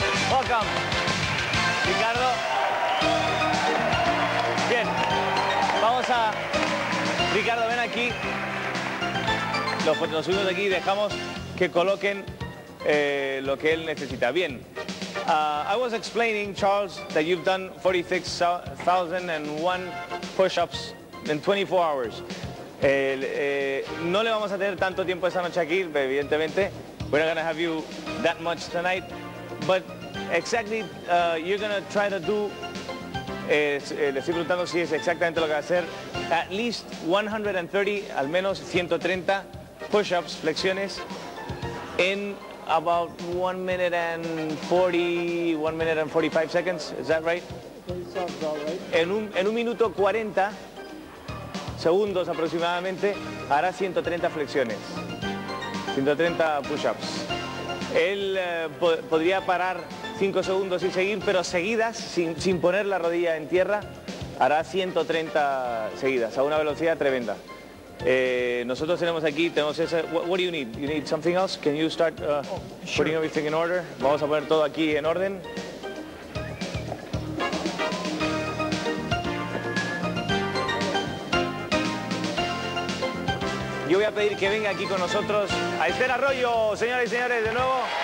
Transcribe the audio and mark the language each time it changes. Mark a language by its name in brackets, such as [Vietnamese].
[English] Welcome, Ricardo. [Spanish] Bien, vamos a... Ricardo, ven aquí. Nos subimos aquí y dejamos que coloquen lo que él necesita. Bien. [English] I was explaining, Charles, that you've done 46,001 push-ups in 24 hours. [Spanish] No le vamos a tener tanto tiempo esta noche aquí, evidentemente. [English] We're not going to have you that much tonight. But exactly, you're going to try to do, [Spanish] le estoy preguntando si es exactamente lo que va a hacer, [English] at least 130, [Spanish] al menos 130 push-ups, flexiones, en... [English] About 1 minute and 45 seconds, is that right? [Spanish] En un minuto 40 segundos aproximadamente hará 130 flexiones, 130 push-ups. Él podría parar 5 segundos y seguir, pero seguidas, sin poner la rodilla en tierra, hará 130 seguidas a una velocidad tremenda. Nosotros tenemos aquí, tenemos ese... [English] What do you need? You need something else? Can you start putting everything in order? [Spanish] Vamos a poner todo aquí en orden. Yo voy a pedir que venga aquí con nosotros a Esther Arroyo, señores y señores, de nuevo.